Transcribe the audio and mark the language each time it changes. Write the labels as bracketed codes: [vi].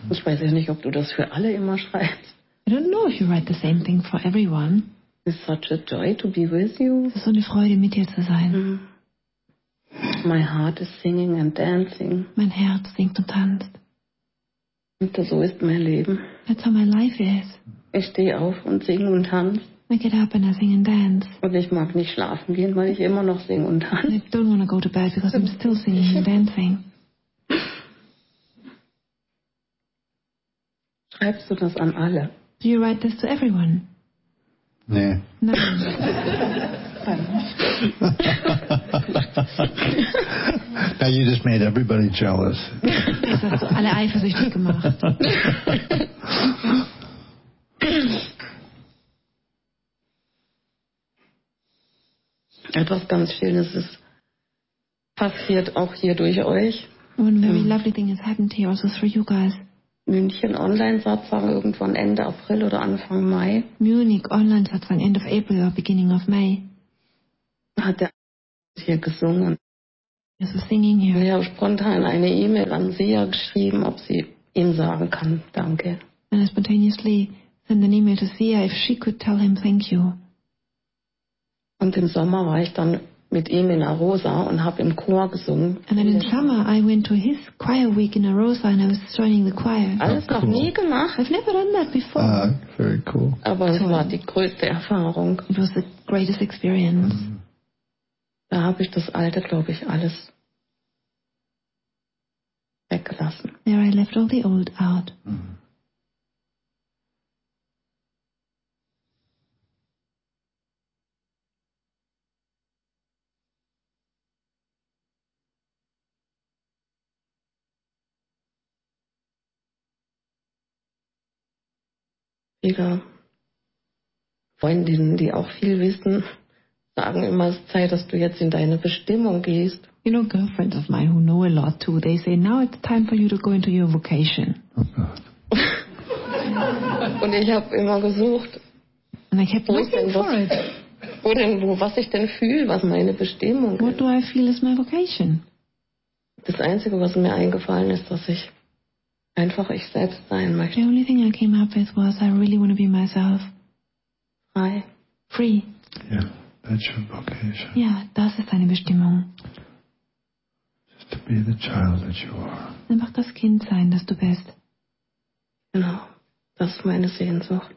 [de] Ich weiß nicht, ob du das für alle immer schreibst. [en] I don't know if you write the same thing for everyone. It's such a joy to be with you. [de] Es ist so eine Freude, mit dir zu sein. [en] My heart is singing and dancing. [de] Mein Herz singt und tanzt. Und so ist mein Leben. [en] That's how my life is. [de] Ich stehe auf und singe und tanze. [en] I get up and I sing and dance. [de] Und ich mag nicht schlafen gehen, weil ich immer noch singe und tanze. [en] I don't want to go to bed because I'm still singing and dancing. [de] Schreibst du das an alle? [en] Do you write this to everyone? Nee. Now you just made everybody jealous. [de] Alle eifersüchtig gemacht. Etwas ganz Schönes ist passiert auch hier durch euch. [en] One very lovely thing has happened here also through you guys. [de] München Online-Satzung irgendwann Ende April oder Anfang Mai. [en] Munich Online-Satzung end of April or beginning of May. [de] Hat er hier gesungen. Er ist [en] singing here. [de] Ich habe spontan eine E-Mail an Sia geschrieben, ob sie ihm sagen kann, danke. [en] And I spontaneously sent an email to Sia, if she could tell him thank you. [de] Und im Sommer war ich dann mit ihm in Arosa und habe im Chor gesungen. [en] And then in summer I went to his choir week in Arosa and I was joining the choir. [de] Alles noch nie gemacht. [en] I've never done that before. Very cool. [de] Aber es war die größte Erfahrung. [en] It was the greatest experience. [de] Da habe ich das Alte, glaube ich, alles weggelassen. [en] There I left all the old out. [de] Viele Freundinnen, die auch viel wissen, sagen immer, es ist Zeit, dass du jetzt in deine Bestimmung gehst. [en] You know, girlfriends of mine who know a lot too, they say, now it's time for you to go into your vocation. Okay. [de] Und ich habe immer gesucht. [en] And I kept looking for it. [de] Was ich denn fühle, was meine Bestimmung [en] what [de] ist. [en] What do I feel is my vocation? [de] Das Einzige, was mir eingefallen ist, dass ich einfach ich selbst sein möchte. [en] The only thing I came up with was I really want to be myself. [de] Frei. [en] Free. Yeah, that's your vocation. [de] Yeah, das ist deine Bestimmung. [en] Just to be the child that you are. [de] Einfach das Kind sein, das du bist. Genau, das ist meine Sehnsucht.